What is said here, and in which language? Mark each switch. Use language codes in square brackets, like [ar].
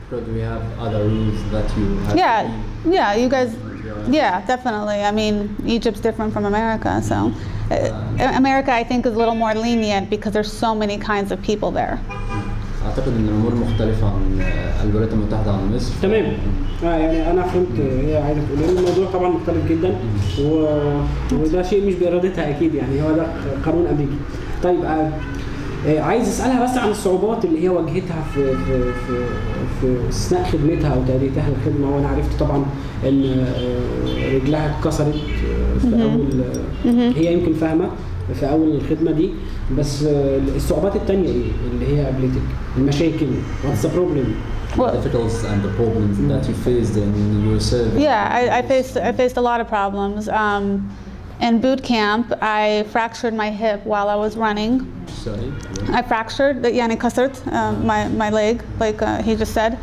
[en] But we have other rules that you have. Yeah, to yeah, you guys. Yeah, definitely. I mean, Egypt's different from America, so. America, I think, is a little more lenient because there's so many kinds of people there. I think that the rules are different from the United States. [ar] تمام. يعني أنا فهمت هي عايزة تقول، الموضوع طبعاً مختلف جداً، وده شيء مش بإرادتها أكيد، يعني هو ده قانون أمريكي. طيب عايز أسألها بس عن الصعوبات اللي هي واجهتها في أثناء خدمتها أو تأديتها للخدمة، وأنا عرفت طبعاً إن رجلها اتكسرت في أول هي يمكن فاهمة في أول الخدمة دي، بس الصعوبات التانية اللي هي قابلتك، المشاكل، [en] what's the problem؟ Well, difficulties and the problems that you faced in your service. Yeah, I faced a lot of problems. In boot camp, I fractured my hip while I was running. Sorry. Yeah. I fractured the [ar] yani kasert [en] my leg, like he just said.